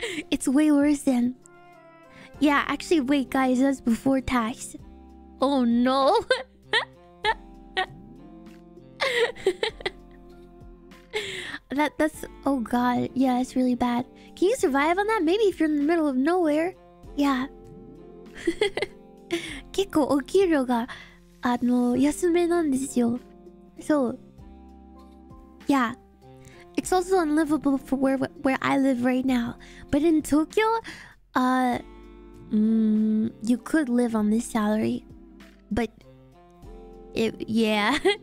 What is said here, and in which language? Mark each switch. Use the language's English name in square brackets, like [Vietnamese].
[English] It's way worse then. Yeah, actually, wait, guys. That's before tax. Oh, no. That's... Oh, God. Yeah, it's really bad. Can you survive on that? Maybe if you're in the middle of nowhere. Yeah. [Japanese] 結構お給料が安めなんですよ。 [English] So, yeah, it's also unlivable for where I live right now. But in Tokyo, you could live on this salary. But, yeah.